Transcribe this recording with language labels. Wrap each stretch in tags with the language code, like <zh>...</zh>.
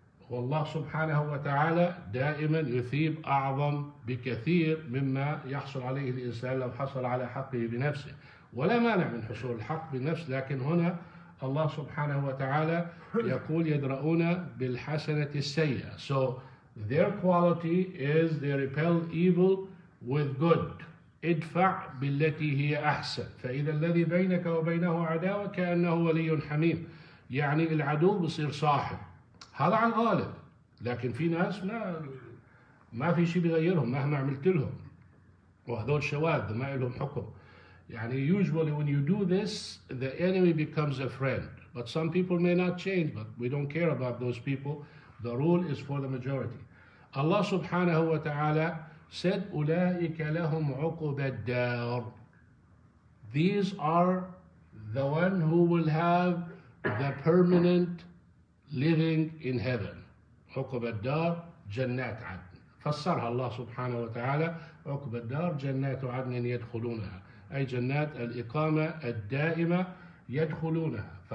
<ar>والله سبحانه وتعالى دائما يثيب أعظم بكثير مما يحصل عليه الإنسان لو حصل على حقه بنفسه. ولا مانع من حصول الحق بنفس، لكن هنا الله سبحانه وتعالى يقول يدرؤون بالحسنة السيئة.</ar> <en>So their quality is they repel evil with good.</en> <ar>ادفع بالتي هي أحسن. فإذا الذي بينك وبينه عداوة كأنه ولي حميم. يعني العدو بصير صاحب. هذا عن غالب، لكن في ناس ما في شيء بيغيرهم مهما عملت لهم، وهذول شواذ ما لهم حكم. يعني</ar> <en>usually when you do this the enemy becomes a friend, but some people may not change, but we don't care about those people. The rule is for the majority. Allah subhanahu wa ta'ala said</en> <ar>أولئك لهم عقب الدار.</ar> <en>These are the one who will have the permanent living in heaven.</en> <ar>عقب الدار جنات عدن. فسرها الله سبحانه وتعالى عقب الدار جنات عدن يدخلونها. أي جنات الإقامة الدائمة يدخلونها.</ar>